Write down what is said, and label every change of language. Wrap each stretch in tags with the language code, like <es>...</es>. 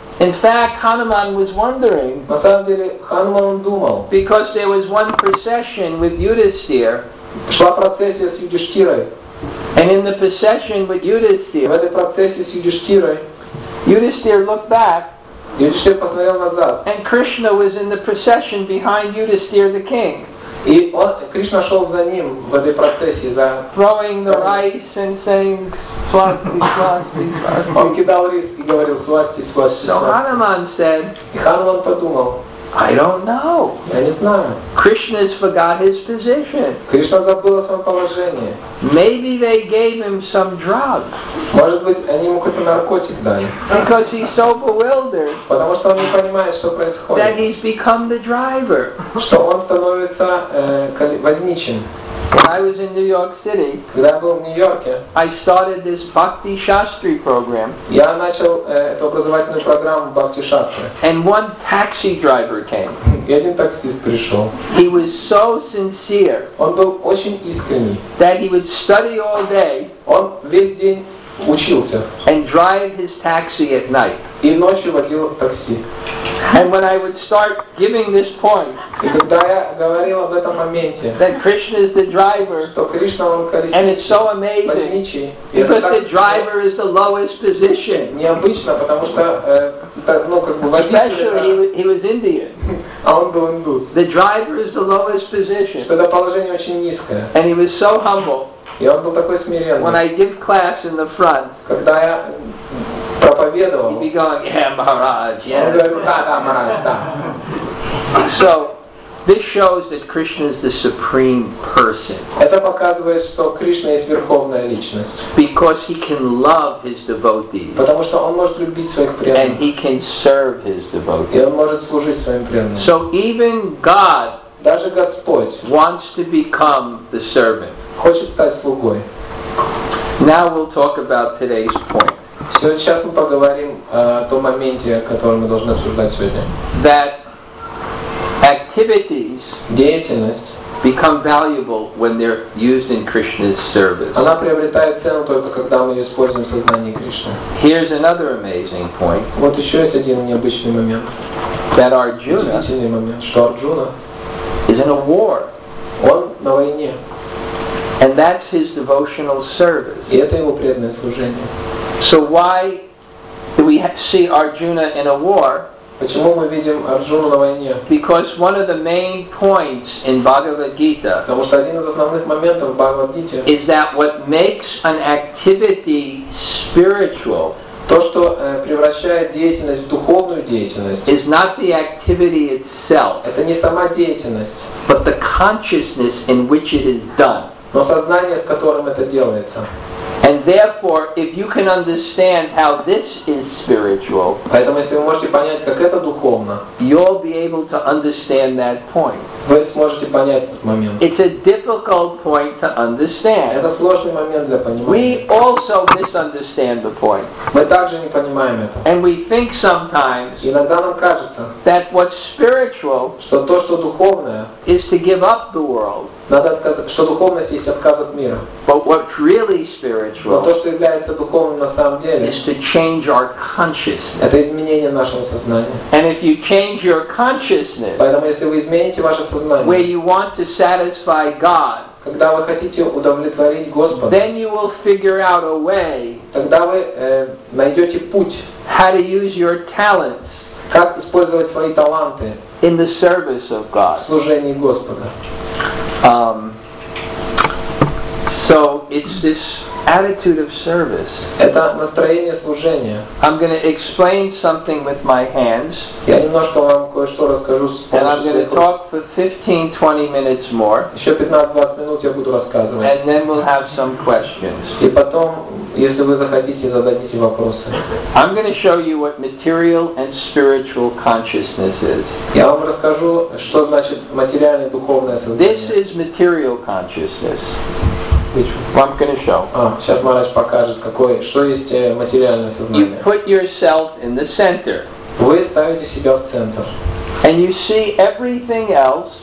<en>In fact, Hanuman was wondering.</en> <ru>На самом деле Хануман думал.</ru> <en>Because there was one procession with Yudhisthira.</en> <ru>Шла процессия с Юдиштирой.</ru> <en>And in the procession with Yudhisthira,</en> <ru>в этой процессии с Юдиштирой,</ru> <en>Yudhisthira looked back.</en> <ru>Юдиштир посмотрел назад.</ru> <en>And Krishna was in the procession behind Yudhisthira, the king.</en> <ru>И он, Кришна шел за ним в этой процессии за.</ru> <en>Throwing the rice and saying, "Swasti, swasti, swasti."</en> <ru>Он кидал рис и говорил, "Swasti, swasti, swasti."</ru> <en>So Hanuman said.</en> <ru>И Хануман подумал.</ru> <en>I don't know.</en> <ru>Я не знаю.</ru> <en>Krishna has forgot his position.</en> <ru>Кришна забыл о своем положении.</ru> <en>Maybe they gave him some drugs.</en> <ru>Может быть, они ему какой-то наркотик дали.</ru> <en>Because he's so bewildered.</en> <ru>Потому что он не понимает, что происходит.</ru> <en>That he's become the driver.</en> <ru>Что он становится возничим.</ru> <en>When I was in New York City,</en> <ru>когда я был в Нью-Йорке,</ru> <en>I started this Bhakti Shastri program.</en> <ru>Я начал эту образовательную программу Bhakti Shastri.</ru> <en>And one taxi driver came.</en> <ru>И один таксист пришел.</ru> <en>He was so sincere.</en> <ru>Он был очень искренний.</ru> <en>That he would study all day.</en> <ru>Он весь день учился.</ru> <en>And drive his taxi at night.</en> <ru>И ночью водил такси.</ru> <en>And when I would start giving this point,</en> <ru>и когда я говорил об этом моменте,</ru> <en>that Krishna is the driver,</en> <ru>что Кришна он колесничий,</ru> <en>and it's so amazing,</en> <ru>возничий,</ru> <en>because the driver is the lowest position.</en> <ru>Необычно, потому что</ru> <en>especially he was Indian.</en> <ru>А он был индус.</ru> <en>The driver is the lowest position.</en> <ru>Что это положение очень низкое.</ru> <en>And he was so humble.</en> <ru>И он был такой смиренный.</ru> <en>When I give class in the front,</en> <ru>когда я проповедовал.</ru> <en>He'd be going, yeah, Maharaj, yeah.</en> <ru>Он говорит, да, Maharaj, да.</ru> <en>So, this shows that Krishna is the supreme person.</en> <ru>Это показывает, что Кришна есть верховная личность.</ru> <en>Because he can love his devotees.</en> <ru>Потому что он может любить своих преданных.</ru> <en>And he can serve his devotees.</en> <ru>И он может служить своим преданным.</ru> <en>So even God,</en> <ru>даже Господь,</ru> <en>wants to become the servant.</en> <ru>Хочет стать слугой.</ru> <en>Now we'll talk about today's point.</en> <ru>Сейчас мы поговорим о том моменте, который мы должны обсуждать сегодня.</ru> <en>That activities,</en> <ru>деятельность,</ru> <en>become valuable when they're used in Krishna's service.</en> <ru>Она приобретает цену только когда мы ее используем в сознании Кришны.</ru> <en>Here's another amazing point.</en> <ru>Вот еще есть один необычный момент.</ru> <en>That Arjuna.</en> <ru>Удивительный момент, что Арджуна</ru> <en>is in a war.</en> <ru>Он на войне.</ru> <en>And that's his devotional service.</en> <ru>И это его преданное служение.</ru> <en>So why do we see Arjuna in a war?</en> <ru>Почему мы видим Арджуну на войне?</ru> <en>Because one of the main points in Bhagavad Gita.</en> <ru>Потому что один из основных моментов в Бхагавад-гите.</ru> <en>Is that what makes an activity spiritual?</en> <ru>То, что превращает деятельность в духовную деятельность.</ru> <en>Is not the activity itself.</en> <ru>Это не сама деятельность.</ru> <en>But the consciousness in which it is done.</en> <ru>Но сознание, с которым это делается.</ru> <en>And therefore, if you can understand how this is spiritual,</en> <ru>поэтому если вы можете понять, как это духовно,</ru> <en>you'll be able to understand that point.</en> <ru>Вы сможете понять этот момент.</ru> <en>It's a difficult point to understand.</en> <ru>Это сложный момент для понимания.</ru> <en>We also misunderstand the point.</en> <ru>Мы также не понимаем это.</ru> <en>And we think sometimes,</en> <ru>иногда нам кажется,</ru> <en>that what's spiritual,</en> <ru>что то, что духовное,</ru> <en>is to give up the world.</en> <ru>Надо отказать, что духовность есть отказ от мира.</ru> <en>But what's really spiritual,</en> <ru>но то, что является духовным на самом деле,</ru> <en>is to change our consciousness.</en> <ru>Это изменение нашего сознания.</ru> <en>And if you change your consciousness,</en> <ru>поэтому если вы измените ваше сознание,</ru> <en>where you want to satisfy God,</en> <ru>когда вы хотите удовлетворить Господа,</ru> <en>then you will figure out a way,</en> <ru>тогда вы найдете путь,</ru> <en>how to use your talents,</en> <ru>как использовать свои таланты,</ru> <en>in the service of God.</en> <ru>В служении Господа.</ru> <en>So it's this attitude of service.</en> <ru>Это настроение служения.</ru> <en>I'm going to explain something with my hands.</en> <ru>Я немножко вам кое-что расскажу с помощью.</ru> <en>And I'm going to talk for 15-20 minutes more.</en> <ru>Еще 15-20 минут я буду рассказывать.</ru> <en>And then we'll have some questions.</en> <ru>И потом, если вы захотите, зададите вопросы.</ru> <en>I'm going to show you what material and spiritual consciousness is.</en> <ru>Я вам расскажу, что значит материальное и духовное сознание.</ru> <en>This is material consciousness. Which I'm going to show.</en> <ru>Сейчас Марас покажет, какое, что есть материальное сознание.</ru> <en>You put yourself in the center.</en> <ru>Вы ставите себя в центр.</ru> <en>And you see everything else.</en>